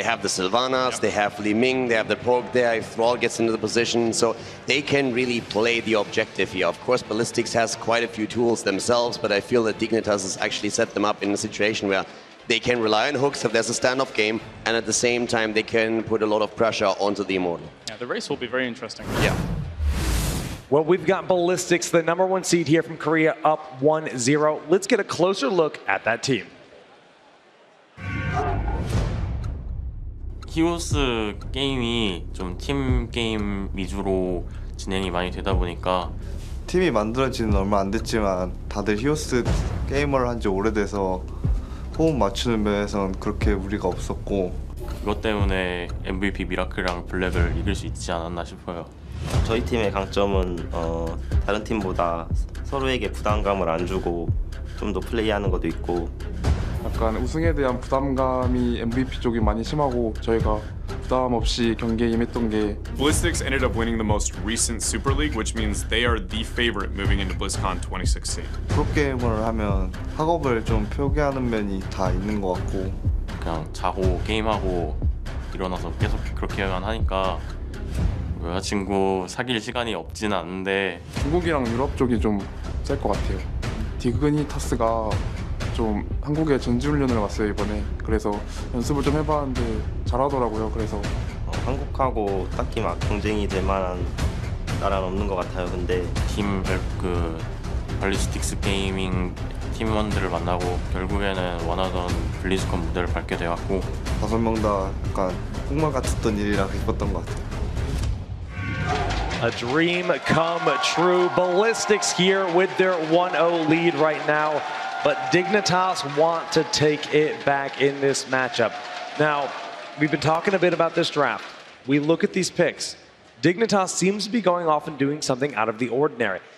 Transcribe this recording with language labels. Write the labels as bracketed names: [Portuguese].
[English] They have the Sylvanas, they have Li Ming, they have the Poke there. If Thrall gets into the position, so they can really play the objective here. Of course, Ballistix has quite a few tools themselves, but I feel that Dignitas has actually set them up in a situation where they can rely on hooks if there's a standoff game, and at the same time, they can put a lot of pressure onto the Immortal. Yeah, the race will be very interesting. Yeah. Well, we've got Ballistix, the number one seed here from Korea, up 1-0. Let's get a closer look at that team. [Korean] Heos 게임이 좀 팀 게임 위주로 진행이 많이 되다 보니까 팀이 만들어진 얼마 안 됐지만 다들 Heos 게이머를 한 지 오래돼서 호흡 맞추는 면에선 그렇게 무리가 없었고 그것 때문에 MVP 미라클이랑 블랙을 이길 수 있지 않았나 싶어요. 저희 팀의 강점은 다른 팀보다 서로에게 부담감을 안 주고 좀 더 플레이하는 것도 있고 약간 우승에 대한 부담감이 MVP 쪽이 많이 심하고 저희가 부담 없이 경기에 임했던 게 [English] Ballistix ended up winning the most recent Super League, which means they are the favorite moving into BlizzCon 2016. [Korean] 프로게이머를 하면 학업을 좀 표기하는 면이 다 있는 것 같고 그냥 자고 게임하고 일어나서 계속 그렇게만 하니까 여자친구 사귈 시간이 없진 않은데 중국이랑 유럽 쪽이 좀 셀 것 같아요. 디그니타스가 좀 한국에 전지훈련을 왔어요 이번에. 그래서 연습을 좀 해봤는데 잘하더라고요. 그래서 한국하고 딱히 막 경쟁이 될 만한 나라는 없는 것 같아요. 근데 팀 그 발리스틱스 게이밍 팀원들을 만나고 결국에는 원하던 블리즈컨 무대를 밟게 되었고 다섯 명 다 약간 꿈만 같았던 일이라 기뻤던 것 같아요. [English] A dream come true. Ballistix here with their 1-0 lead right now, but Dignitas want to take it back in this matchup. Now, we've been talking a bit about this draft. We look at these picks. Dignitas seems to be going off and doing something out of the ordinary.